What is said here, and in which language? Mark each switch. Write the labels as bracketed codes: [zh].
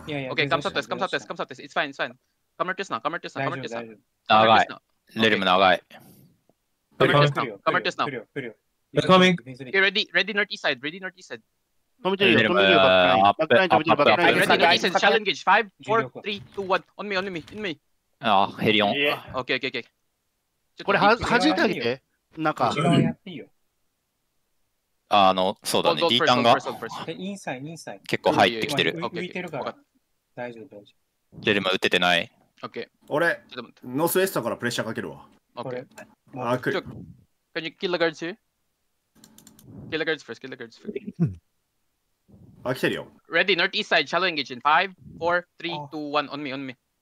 [en] Okay, come out this, come out this, come out this. It's fine, it's fine. Come out this now, come out this now, come out this now. [ja] 長い。レルム長い。 [en] Come out this now, come out this now. They're coming. Okay, ready, ready, north east side, ready, north east side. [ja] 止めてるよ、止めてるよ、バックライン、止めてるよ、バックライン。 [en] Ready, north east side, challenge gauge. 5, 4, 3, 2, 1. On me, on me, on me. [ja] あー、ヘリオン。 [en] Okay, okay, okay. [ja] これ、弾いてあげて。中やっていいよ。あの、そうだね、D ターンが結構入ってきてる。浮いてるから大丈夫、大丈夫。レルマ撃ててない。オッケー。俺、ノースウェストからプレッシャーかけるわ。オッケー。 あー、来る。 [en] Can you kill the guards here? Kill the guards first, kill the guards first. [ja] あ、来てるよ。 [en] Ready, north east side, shallow engage in 5, 4, 3, 2, 1, on me, on me.